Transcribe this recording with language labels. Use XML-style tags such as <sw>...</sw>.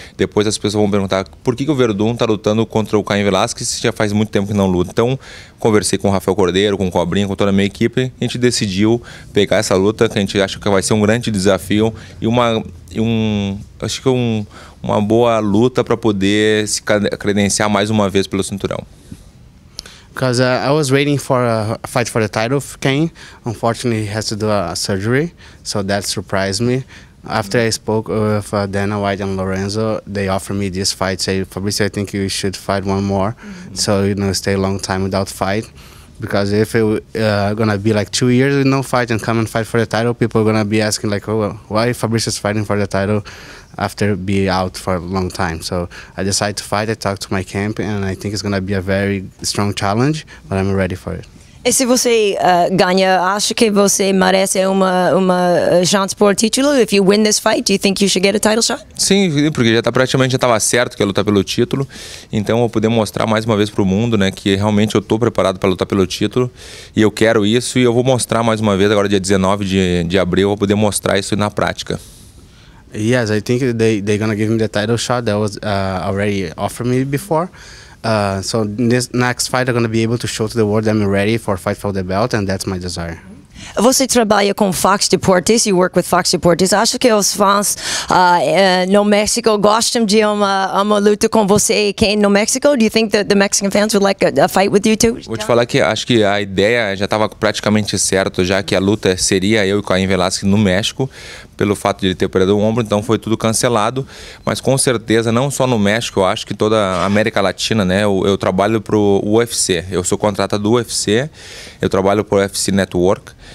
<pt>Depois as pessoas vão perguntar: por que o Werdum tá lutando contra o Cain Velasquez se já faz muito tempo que não luta? Então conversei com o Rafael Cordeiro, com o Cobrinha, com toda a minha equipe, a gente decidiu pegar essa luta, que a gente acha que vai ser um grande desafio e uma boa luta para poder se credenciar mais uma vez pelo cinturão.</pt> <en>Because I was waiting for a fight for the title of Cain. Unfortunately, he has to do a surgery, so that surprised me. After I spoke with Dana White and Lorenzo, they offered me this fight, say, Fabricio, I think you should fight one more, so you know, stay a long time without fight. Because if it's gonna be like 2 years with no fight and come and fight for the title, people are gonna be asking like, oh, well, why Fabricio's fighting for the title after be out for a long time? So I decided to fight. I talked to my camp, and I think it's gonna be a very strong challenge, but I'm ready for it.</en> <pt>E se você ganha, acha que você merece uma chance por título?</pt> <en>If you win this fight, do you think you should get a title shot?</en> <pt>Sim, porque já estava certo que ia lutar pelo título. Então, vou poder mostrar mais uma vez para o mundo, né, que realmente eu estou preparado para lutar pelo título. E eu quero isso e eu vou mostrar mais uma vez agora, dia 19 de abril, eu vou poder mostrar isso na prática.</pt> <en>Yes, I think they're gonna give me the title shot that was already offered me before. So this next fight, I'm gonna be able to show to the world that I'm ready for a fight for the belt, and that's my desire.</en> <pt>Você trabalha com Fox Deportes,</pt> <en>you work with Fox Deportes.</en> <pt>Acho que os fãs no México gostam de uma luta com você e Cain no México.</pt> <en>Do you think that the Mexican fans would like a fight with you too?</en> <pt>Vou te falar que acho que a ideia já estava praticamente certa, já que a luta seria eu e Cain Velasquez no México, pelo fato de ele ter perdido o ombro, então foi tudo cancelado. Mas com certeza, não só no México, eu acho que toda a América Latina, né? Eu trabalho para o UFC, eu sou contratado do UFC, eu trabalho para o UFC Network.</pt>